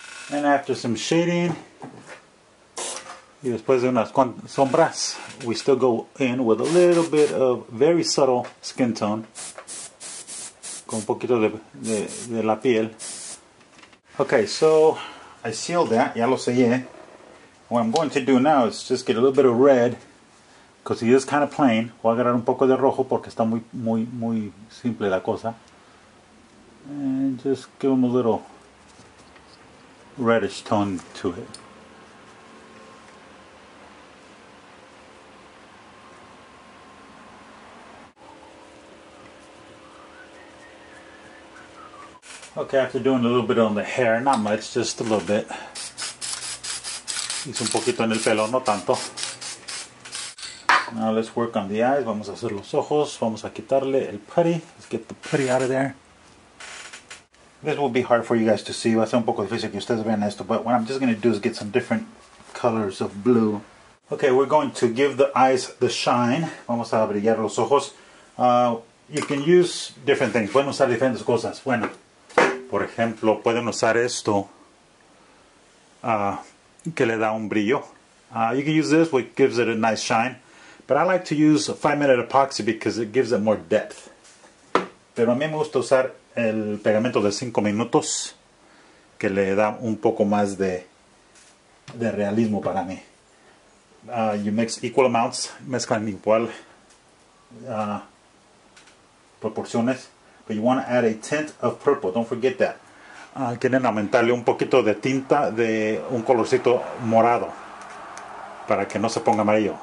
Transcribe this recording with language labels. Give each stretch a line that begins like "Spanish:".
English: And after some shading,
Spanish: y después de unas sombras,
English: we still go in with a little bit of very subtle skin tone.
Spanish: Con un poquito de la piel.
English: Okay, so I sealed that.
Spanish: Ya lo sellé.
English: What I'm going to do now is just get a little bit of red, because it is kind of plain.
Spanish: Voy a agarrar un poco de rojo porque está muy, muy, muy simple la cosa.
English: And just give them a little reddish tone to it. Okay, after doing a little bit on the hair, not much, just a little bit.
Spanish: Hice un poquito en el pelo, no tanto.
English: Now let's work on the eyes.
Spanish: Vamos a hacer los ojos. Vamos a quitarle el putty.
English: Let's get the putty out of there. This will be hard for you guys to see.
Spanish: Va a ser un poco difícil que ustedes vean esto.
English: But what I'm just going to do is get some different colors of blue. Okay, we're going to give the eyes the shine.
Spanish: Vamos a brillar los ojos.
English: You can use different things.
Spanish: Pueden usar diferentes cosas. Bueno, por ejemplo, pueden usar esto. Que le da un brillo.
English: You can use this, which gives it a nice shine. But I like to use 5-minute epoxy because it gives it more depth.
Spanish: Pero a mí me gusta usar el pegamento de 5 minutos, que le da un poco más de realismo para mí.
English: You mix equal amounts,
Spanish: mezclan igual proporciones.
English: But you want to add a tint of purple, don't forget that.
Spanish: Quieren aumentarle un poquito de tinta de un colorcito morado para que no se ponga amarillo.